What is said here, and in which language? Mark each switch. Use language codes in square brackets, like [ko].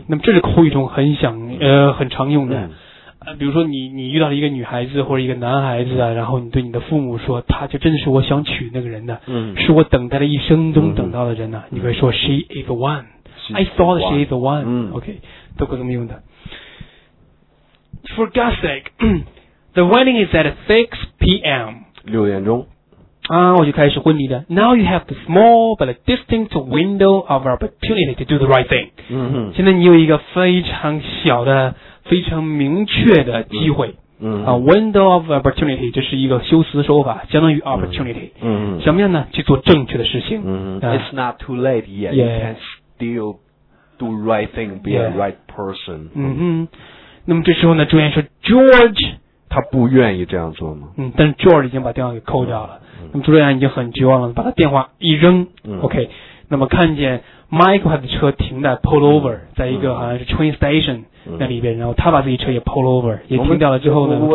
[zh] 那么这是口语中很想很常用的，比如说你遇到了一个女孩子或者一个男孩子啊，然后你对你的父母说，他就真的是我想娶那个人的，是我等待了一生中等到的人呢、你会说 [en] she is the one， [zh] I thought she is the one， OK， 都可以这么用的。 [en] For God's sake， the wedding is at 6 p.m. [zh] 六点钟。啊，我就开始昏迷的。 [en] Now you have the small but distinct window of opportunity to do the right thing。嗯哼。 [zh] 现在你有一个非常小的、非常明确的机会。嗯。啊 ，window of opportunity 这是一个修辞手法，相当于 opportunity。嗯。什么样呢？去做正确的事情。 [en] 嗯。It's not too late yet. Yeah. You can still do right thing, be a right person. 嗯哼。 [zh] 那么这时候呢，朱莉安说 ，George，他不愿意这样做吗？嗯，但是 George 已经把电话给扣掉了。那么朱莉安已经很绝望了，把他电话一扔、OK， 那么看见 Michael 的车停在 pull over， 在一个好像是 train station 那里边，然后他把自己车也 pull over， 也停掉了之后呢？